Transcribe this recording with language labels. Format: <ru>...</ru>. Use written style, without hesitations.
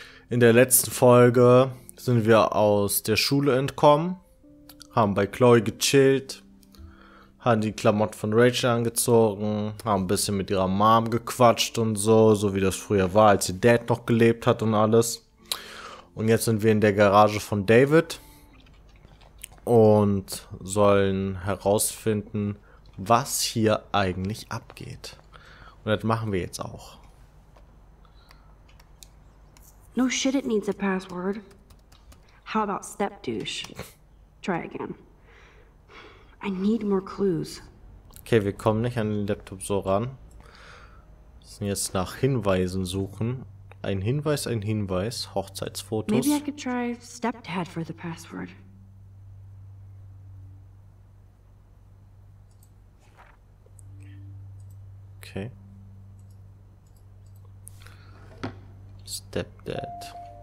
<de>In der letzten Folge sind wir aus der Schule entkommen, haben bei Chloe gechillt, haben die Klamotten von Rachel angezogen, haben ein bisschen mit ihrer Mom gequatscht und so wie das früher war, als ihr Dad noch gelebt hat und alles. Und jetzt sind wir in der Garage von David und sollen herausfinden, was hier eigentlich abgeht. Und das machen wir jetzt auch.</de> <en>No shit, it needs a password. How about step douche? Try again. I need more clues.</en> <de>Okay, wir kommen nicht an den Laptop so ran. Wir müssen jetzt nach Hinweisen suchen. Ein Hinweis. Hochzeitsfotos.</de> <en>Maybe I could try stepdad for the password. Okay. Stepdad.</en>